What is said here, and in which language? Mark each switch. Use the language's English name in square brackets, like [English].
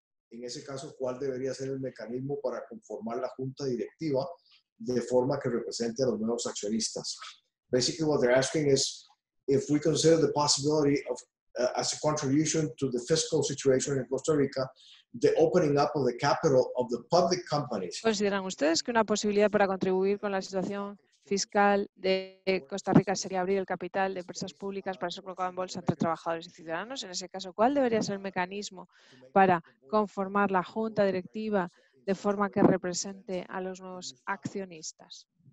[Spanish] En ese caso, ¿cuál debería ser el mecanismo para conformar la junta directiva de forma que represente a los nuevos accionistas? [English] Basically, what they're asking is if we consider the possibility of, as a contribution to the fiscal situation in Costa Rica, the opening up of the capital of the public companies. [Spanish] ¿Consideran ustedes que una posibilidad para contribuir con la situación fiscal de Costa Rica sería abrir el capital de empresas públicas para ser colocado en bolsa entre trabajadores y ciudadanos? En ese caso, ¿cuál debería ser el mecanismo para conformar la junta directiva de forma que represente a los nuevos accionistas?